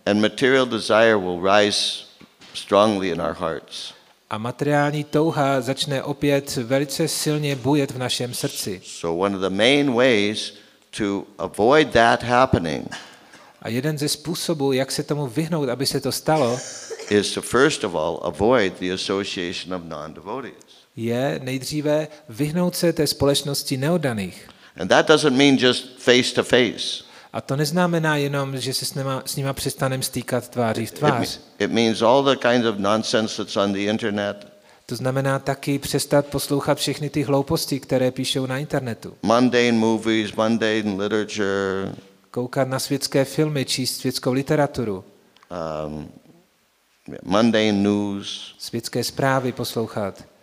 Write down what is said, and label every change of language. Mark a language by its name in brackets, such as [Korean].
[English] And material desire will rise strongly in our hearts. [Czech] A materiální touha začne opět velice silně bujet v našem srdci. [English] So one of the main ways to avoid that happening. [Czech] A jeden ze způsobů, jak se tomu vyhnout, aby se to stalo, [English] is to first of all avoid the association of non-devotees. [Czech] Je nejdříve vyhnout se té společnosti neoddaných. [English] And that doesn't mean just face to face. [Czech] A to neznamená jenom, že se s nima přestaneme stýkat tváří v tvář. [English] It means all the kinds of nonsense that's on the internet. [Czech] To znamená taky přestat poslouchat všechny ty hlouposti, které píšou na internetu. [English] Mundane movies, mundane literature. [Czech] Koukat na světské filmy, číst světskou literaturu. [English] Mundane news. [Czech] Světské zprávy poslouchat.